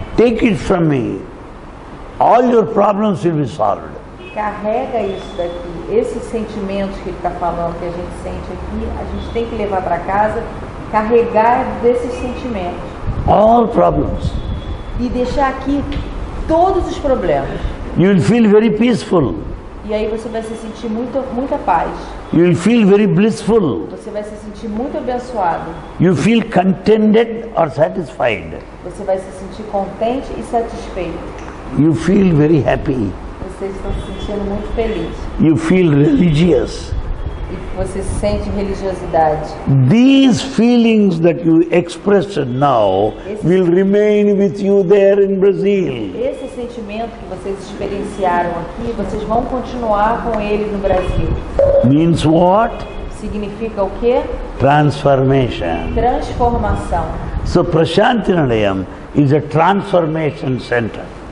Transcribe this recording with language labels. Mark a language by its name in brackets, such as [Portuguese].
[English] take it from me, all your problems will be solved. [Portuguese] Carrega isso daqui, esses sentimentos que ele está falando, que a gente sente aqui, a gente tem que levar para casa, carregar desses sentimentos. [English] All problems. [Portuguese] E deixar aqui todos os problemas. [English] You will feel very peaceful. [Portuguese] E aí você vai se sentir muita paz. [English] You will feel very blissful. [Portuguese] Você vai se sentir muito abençoado. [English] You feel contented or satisfied. [Portuguese] Você vai se sentir contente e satisfeito. [English] You feel very happy. [Portuguese] Vocês estão se sentindo muito feliz. [English] You feel religious. [Portuguese] E você sente religiosidade. [English] These feelings that you express now will remain with you there in Brazil. [Portuguese] Esse sentimento que vocês experienciaram aqui, vocês vão continuar com ele no Brasil. [English] Means what? [Portuguese] Significa o quê? [English] Transformation. [Portuguese] Transformação. [English] So Prachanti Nilayam is a transformation center.